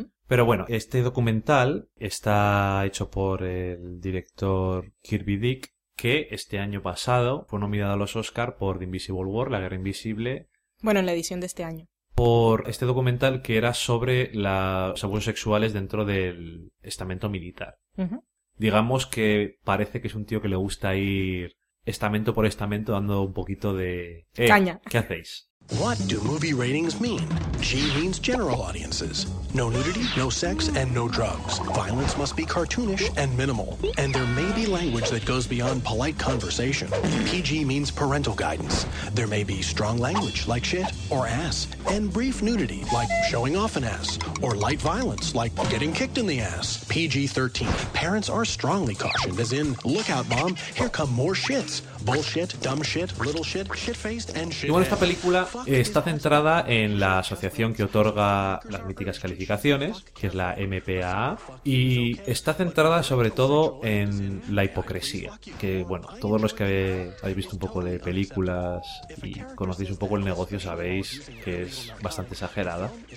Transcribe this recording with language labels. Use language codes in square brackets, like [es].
[es] Pero bueno, este documental está hecho por el director Kirby Dick, que este año pasado fue nominado a los Oscar por The Invisible War, La Guerra Invisible. Bueno, en la edición de este año. Por este documental que era sobre los abusos sexuales dentro del estamento militar. Digamos que parece que es un tío que le gusta ir estamento por estamento dando un poquito de caña. ¿Qué hacéis? [en] What do movie ratings mean? G means general audiences. No nudity, no sex, and no drugs. Violence must be cartoonish and minimal. And there may be language that goes beyond polite conversation. PG means parental guidance. There may be strong language, like shit or ass, and brief nudity, like showing off an ass, or light violence, like getting kicked in the ass. PG-13. Parents are strongly cautioned, as in, look out, mom, here come more shits. Bullshit, dumb shit, little shit, shit-faced, and shit. [es] Y bueno, esta película está centrada en la asociación que otorga las míticas calificaciones, que es la MPAA, y está centrada sobre todo en la hipocresía, que bueno, todos los que habéis visto un poco de películas y conocéis un poco el negocio sabéis que es bastante exagerada.